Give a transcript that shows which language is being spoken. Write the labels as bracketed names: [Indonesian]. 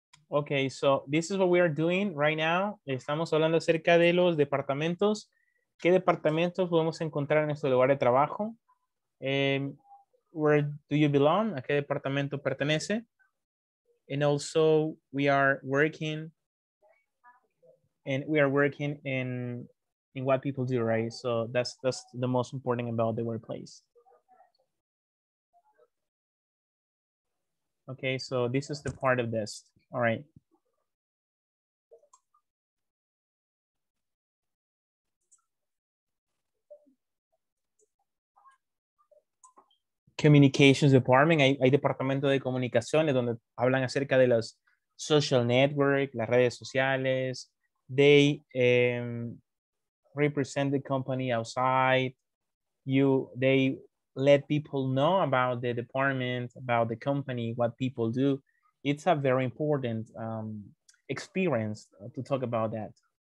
[English] Okay, so this is what we are doing right now. [Spanish] Estamos hablando acerca de los departamentos. ¿Qué departamentos podemos encontrar en nuestro lugar de trabajo? [English] Where do you belong? [Spanish] ¿A qué departamento pertenece? [English] And also we are working in what people do, right? So that's the most important about the workplace. Okay, so this is the part of this. All right. [Spanish] Communications department, hay departamento de comunicaciones donde hablan acerca de los social network, las redes sociales. [English] They represent the company outside. They let people know about the department, about the company, what people do. It's a very important experience to talk about that.